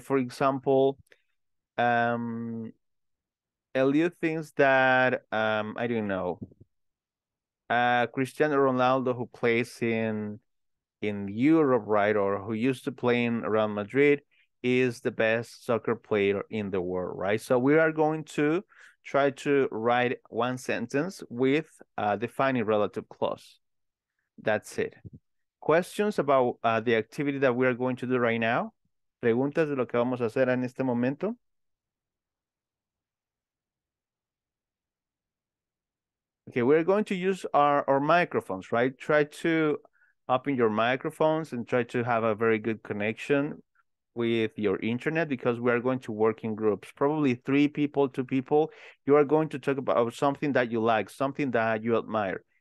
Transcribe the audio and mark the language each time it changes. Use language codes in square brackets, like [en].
[en] For example, Elliot thinks that, I don't know, Cristiano Ronaldo, who plays in Europe, right, or who used to play in Real Madrid, is the best soccer player in the world, right? So we are going to try to write one sentence with a defining relative clause. That's it. Questions about the activity that we are going to do right now? [es] Preguntas de lo que vamos a hacer en este momento? [en] Okay, we're going to use our microphones, right? Try to open your microphones and try to have a very good connection with your internet, because we are going to work in groups, probably three people, two people. You are going to talk about something that you like, something that you admire.